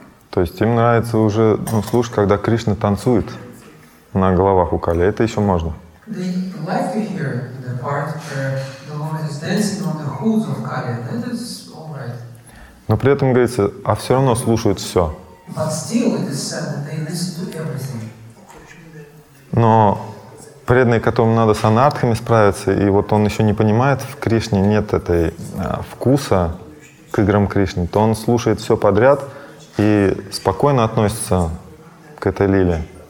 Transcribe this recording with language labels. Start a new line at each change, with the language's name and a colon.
Russian: То есть им нравится уже, ну, слушать, когда Кришна танцует на головах у Кали. Это еще можно.
English: the life you hear, the part where the Lord is dancing on the hooves of Kali, that is all right.
Russian: Но при этом говорится, а все равно слушают все.
English: But still it is said that they listen to everything.
Russian: Но преданный, которому надо с анартхами справиться, и вот он еще не понимает, в Кришне нет этой вкуса к играм Кришны, то он слушает все подряд и спокойно относится к этой лиле.